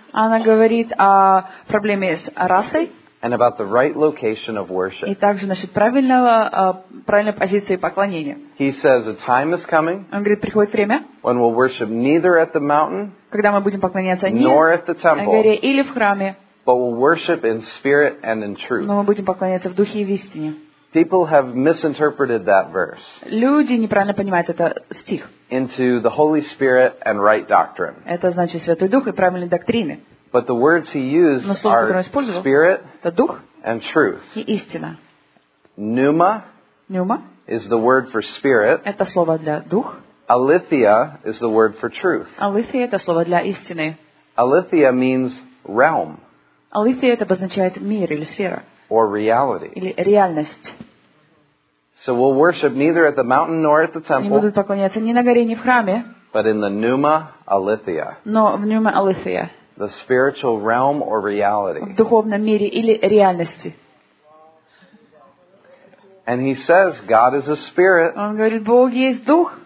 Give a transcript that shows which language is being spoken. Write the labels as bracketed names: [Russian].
[Russian] Она говорит о проблеме с расой. [English] And about the right location of worship. [Russian] И также насчет правильного правильной позиции поклонения. [English] He says a time is coming. [Russian] Он говорит, приходит время. [English] When we'll worship neither at the mountain. [Russian] Когда мы будем поклоняться не [English] nor at the temple, [Russian] на горе или в храме. [English] But we'll worship in spirit and in truth. [Russian] Но мы будем поклоняться в духе и в истине. [English] People have misinterpreted that verse. [Russian] Люди неправильно понимают этот стих. [English] Into the Holy Spirit and right doctrine. [Russian] Это значит Святой Дух и правильные доктрины. [English] But the words he used are spirit and truth. [Russian] И истина. [English] Pneuma is the word for spirit. [Russian] Это слово для дух. [English] Aletheia is the word for truth. [Russian] Aletheia это слово для истины. [English] Aletheia means realm. [Russian] Aletheia это обозначает мир или сфера. [English] Or reality. [Russian] Или реальность. [English] So we'll worship neither at the mountain nor at the temple. [Russian] Они будут поклоняться ни на горе, ни в храме. [English] But in the pneuma Aletheia. [Russian] Но в pneuma Aletheia. [English] The spiritual realm or reality. [Russian] В духовном мире или реальности. [English] And he says, God is a spirit. [Russian] Он говорит, Бог есть дух.